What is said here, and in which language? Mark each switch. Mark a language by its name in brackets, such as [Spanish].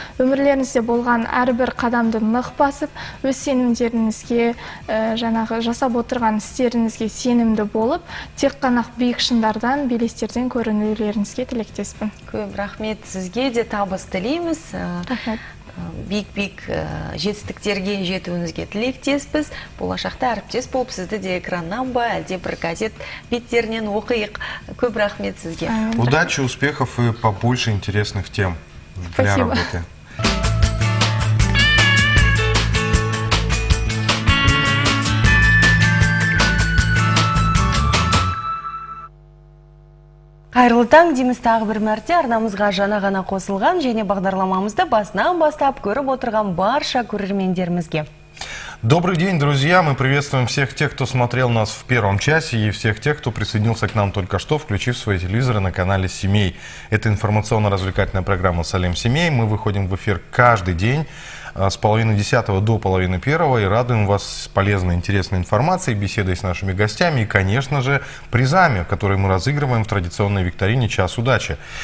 [Kazakh] Өмірлеріңізде болған әрбір қадамды нық басып, өз сенімдеріңізге, жаңағы жасап отырған істеріңізге сенімді болып, тек қана биік шыңдардан, белестерден көрінулеріңізге тілектеспін. Көп рахмет сізге де, табыс тілейміз. Рахмет. Бик-бик жетістіктерге жетуіңізге тілектеспіз. Болашақта әріптес болып сізді де экраннан ба, әлде бір газет беттерінен оқиық. Көп рахмет сізге. [Russian] Удачи, успехов и побольше интересных тем для работы. [Kazakh] Қайырлы таң, дейміз тағы бір мәрте арнамызға жаңа ғана қосылған және бағдарламамызды басынан бастап көріп отырған барша көрермендерімізге. [Russian] Добрый день, друзья! Мы приветствуем всех тех, кто смотрел нас в первом часе и всех тех, кто присоединился к нам только что, включив свои телевизоры на канале «Семей». Это информационно-развлекательная программа «Салем Семей». Мы выходим в эфир каждый день с половины десятого до половины первого и радуем вас полезной, интересной информацией, беседой с нашими гостями и, конечно же, призами, которые мы разыгрываем в традиционной викторине «Час удачи».